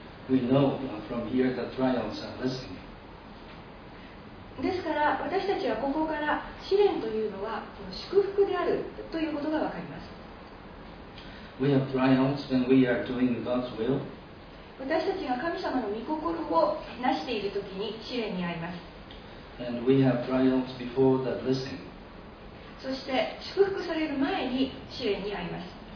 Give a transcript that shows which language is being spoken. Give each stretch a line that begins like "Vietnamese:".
English: We know from here that trials are blessing.
Japanese: ですから私たちはここから試練というのは祝福であるということがわかります。
English: We have trials when we are doing God's will.
Japanese: 私たちが神様の御心を成しているときに試練に遭います。
English: And we have trials before the blessing.
Japanese: そして祝福される前に試練に遭います。